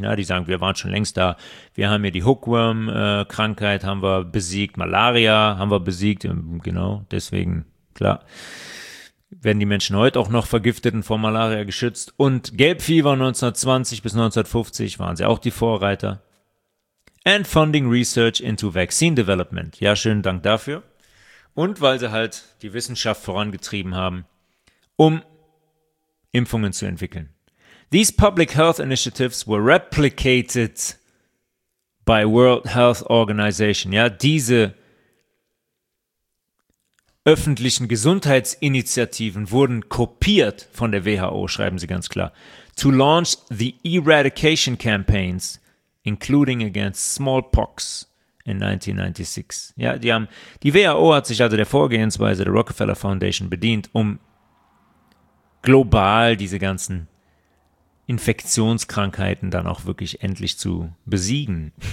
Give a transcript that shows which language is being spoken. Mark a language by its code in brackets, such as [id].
[de] Na, die sagen, wir waren schon längst da. Wir haben hier die Hookworm-Krankheit, haben wir besiegt. Malaria haben wir besiegt. Genau, deswegen, klar, werden die Menschen heute auch noch vergiftet und vor Malaria geschützt. Und Gelbfieber, 1920 bis 1950, waren sie auch die Vorreiter. [en] And funding research into vaccine development. [de] Ja, schönen Dank dafür. Und weil sie halt die Wissenschaft vorangetrieben haben, um Impfungen zu entwickeln. [en] These public health initiatives were replicated by World Health Organization. [de] Ja, diese öffentlichen Gesundheitsinitiativen wurden kopiert von der WHO, schreiben sie ganz klar. [en] To launch the eradication campaigns, including against smallpox in 1996. [de] Ja, die WHO hat sich also der Vorgehensweise der Rockefeller Foundation bedient, um global diese ganzen Infektionskrankheiten dann auch wirklich endlich zu besiegen.